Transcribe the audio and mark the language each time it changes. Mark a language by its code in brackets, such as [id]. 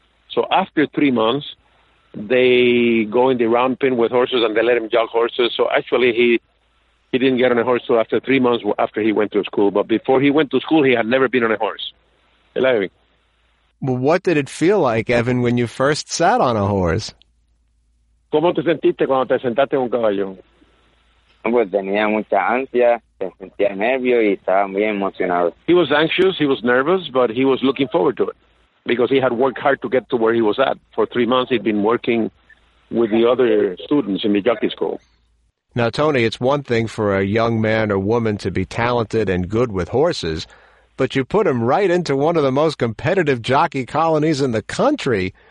[en] So after 3 months, they go in the round pen with horses and they let him jog horses. So actually he didn't get on a horse until after 3 months after he went to school. But before he went to school, he had never been on a horse. Well, what did it feel like, Evin, when you first sat on a horse? [es] ¿Cómo te sentiste cuando te sentaste en un caballo? Pues tenía mucha ansia, se sentía nervio y estaba muy emocionado. [en] He was anxious, he was nervous, but he was looking forward to it because he had worked hard to get to where he was at. For 3 months, he'd been working with the other students in the jockey school. Now, Tony, it's one thing for a young man or woman to be talented and good with horses, but you put him right into one of the most competitive jockey colonies in the country.